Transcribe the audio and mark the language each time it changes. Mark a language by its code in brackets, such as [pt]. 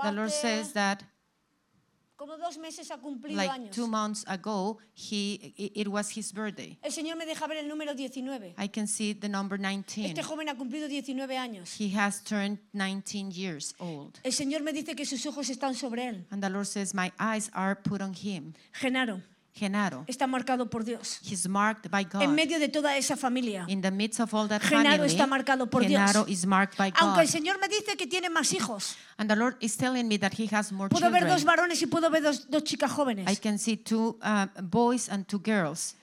[en] the Lord says that [es] como dos meses ha cumplido [en] like [es] años. [en] 2 months ago, it was his birthday. [es] El Señor me deja ver el número 19. [en] I can see the number 19. [es] Este joven ha cumplido 19 años. [en] He has turned 19 years old. [es] El Señor me dice que sus ojos están sobre él. [en] And the Lord says, my eyes are put on him. [es] Genaro. [en] Genaro. [es] Está marcado por Dios. [en] He's marked by God. [es] En medio de toda esa familia. [en] In the midst of all that [es] Genaro [en] family, [es] está marcado por Genaro Dios. [en] Is marked by God. [es] Aunque el Señor me dice que tiene más hijos. [en] And the Lord is telling me that he has more [es] puedo [en] children. [es] Ver dos varones y puedo ver dos chicas jóvenes. [en] I can see two boys and two girls.